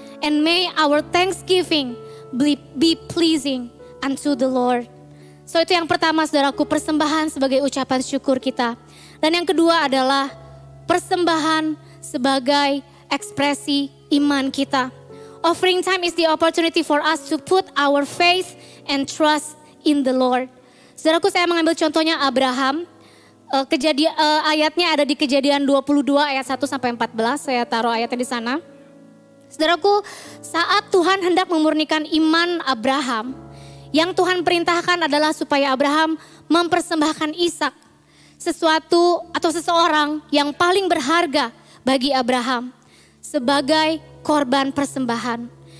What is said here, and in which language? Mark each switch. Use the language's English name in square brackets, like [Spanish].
[English] And may our thanksgiving be pleasing unto the Lord. [Indonesian] So itu yang pertama saudaraku, persembahan sebagai ucapan syukur kita. Dan yang kedua adalah persembahan sebagai ekspresi iman kita. [English] Offering time is the opportunity for us to put our faith and trust in the Lord. [Indonesian] Saudaraku, saya mengambil contohnya Abraham. Ayatnya ada di Kejadian 22 ayat 1-14. Saya taruh ayatnya di sana. Saudaraku, saat Tuhan hendak memurnikan iman Abraham, yang Tuhan perintahkan adalah supaya Abraham mempersembahkan Ishak, sesuatu atau seseorang yang paling berharga bagi Abraham, sebagai korban persembahan.